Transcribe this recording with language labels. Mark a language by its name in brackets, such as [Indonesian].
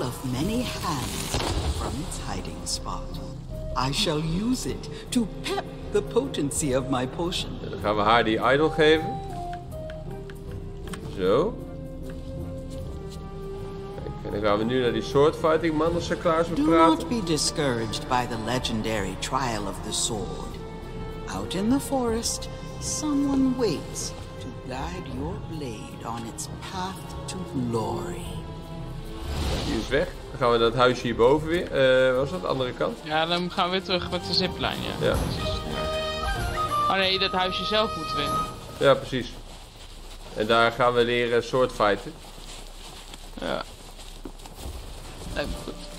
[English] Of many hands from its hiding spot. I shall use it to pep the potency of my potion. [Dutch] Ja, dan gaan we haar die idol geven. Zo. Kijk, en dan gaan we nu naar die swordfighting man als ze klaar is met praten. [English] Do not be discouraged by the legendary trial of the sword. Out in the forest, someone waits. Guide your blade on its path to glory. [Dutch] Die is weg. Dan gaan we naar het huisje hierboven weer. Was dat? Andere kant? Ja, dan gaan we weer terug met de zipline. Ja. Ja. Oh nee, dat huisje zelf moeten we in. Ja, precies. En daar gaan we leren sword fighten. Ja. Lijkt me goed.